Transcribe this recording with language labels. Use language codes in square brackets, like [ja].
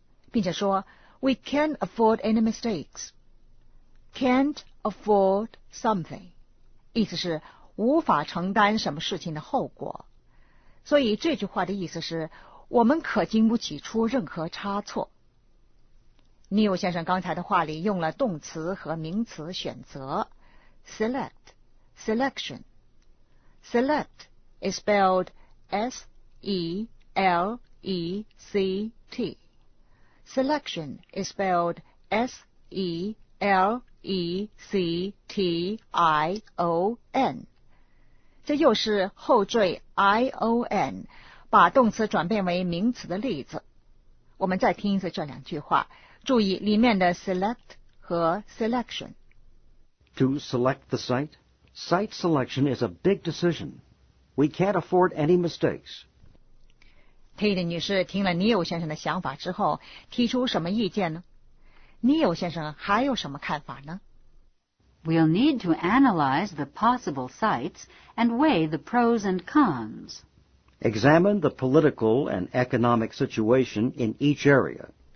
[zh] Tate女士觉得这一步很有劲儿,但是Neil先生却感到担心,他认为这是一个重大决定,并且说, [en] we can't afford any mistakes. Can't afford something, [zh] 意思是无法承担什么事情的后果。所以这句话的意思是,我们可经不起出任何差错。Neil先生刚才的话里用了动词和名词选择,select。 [en] Selection. Select is spelled S-E-L-E-C-T. Selection is spelled S-E-L-E-C-T-I-O-N. [zh] 这又是后缀I-O-N, 把动词转变为名词的例子。我们再听一次这两句话,注意里面的select和selection. [en] To select the site? Site selection is a big decision. We can't afford any mistakes. [zh] Tate女士听了Neil先生的想法之后, 提出什么意见呢? Neil先生还有什么看法呢? [en] We'll need to analyze the possible sites and weigh the pros and cons. Examine the political and economic situation in each area.